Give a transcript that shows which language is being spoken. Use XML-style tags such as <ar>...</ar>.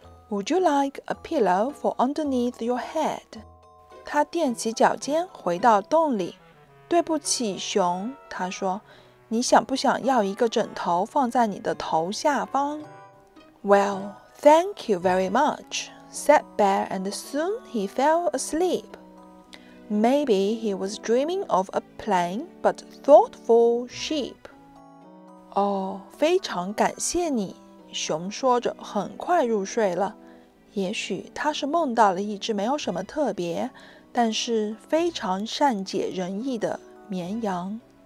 <en>Would you like a pillow for underneath your head?</en> <zh>她踮起脚尖回到洞里。对不起，熊，她说，你想不想要一个枕头放在你的头下方？</zh> <en>Well, thank you very much, said Bear, and soon he fell asleep. Maybe he was dreaming of a plain but thoughtful sheep.</en> <zh>Oh, 非常感谢你，熊说着很快入睡了。也许他是梦到了一只没有什么特别，但是非常善解人意的绵羊。</zh>